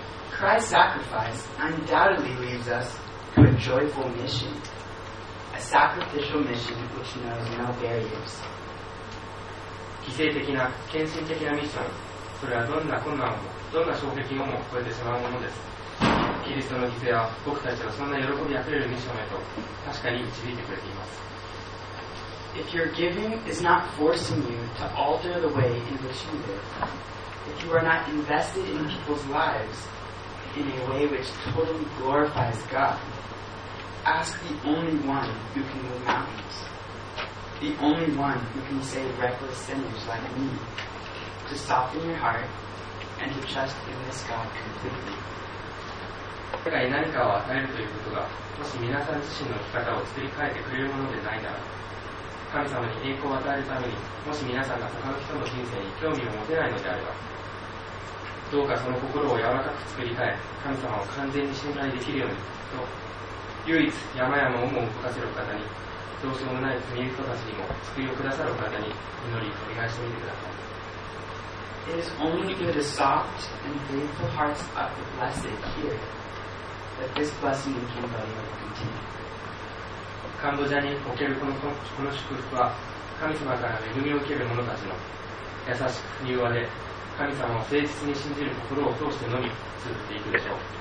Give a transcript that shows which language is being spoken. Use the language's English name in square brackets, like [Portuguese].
[English] Christ's sacrifice undoubtedly leaves us to a joyful mission, a sacrificial mission which knows no barriers. [Japanese] 犠牲的な献身的なミッション、それはどんな困難もどんな障壁をも超えてしまうものです。キリストの犠牲は僕たちをそんな喜びあふれるミッションへと確かに導いてくれています。 [English] If your giving is not forcing you to alter the way in which you live, if you are not invested in people's lives in a way which totally glorifies God, ask the only one who can move mountains, the only one who can save reckless sinners like me, to soften your heart and to trust in this God completely. [Japanese] 世界に何かを与えるということが、もし皆さん自身の生き方を作り変えてくれるものでないなら、神様に栄光を与えるために、もし皆さんが他の人の人生に興味を持てないのであれば、どうかその心を柔らかく作り変え、神様を完全に信頼できるようにと、唯一山々をも動かせる方に、どうしようもない罪人たちにも救いをくださる方に祈り、お願いしてみてください。 [English] It is only through the soft and faithful hearts of the blessed here that this blessing in Cambodia will continue. [Japanese] カンボジアにおけるこの祝福は、神様から恵みを受ける者たちの優しく柔和で、神様を誠実に信じる心を通してのみ続いていくでしょう。